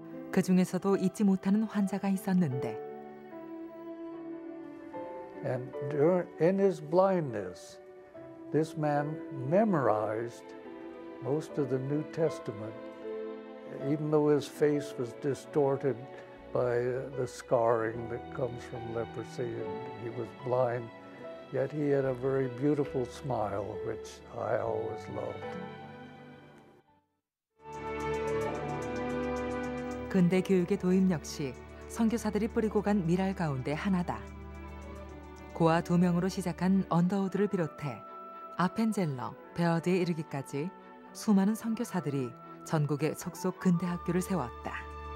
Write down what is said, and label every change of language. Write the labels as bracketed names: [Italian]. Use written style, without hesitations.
[Korean] 그 중에서도 잊지 못하는 환자가 있었는데. [English] And in his blindness, this man memorized most of the New Testament, even though his face was distorted by the scarring that comes from leprosy and he was blind, yet he had a very beautiful smile, which I always loved. [Korean] 근대 교육의 도입 역시 선교사들이 뿌리고 간 미랄 가운데 하나다. 고아 두 명으로 시작한 언더우드를 비롯해 아펜젤러, 베어드에 이르기까지 수많은 선교사들이 전국에 속속 근대 학교를 세웠다.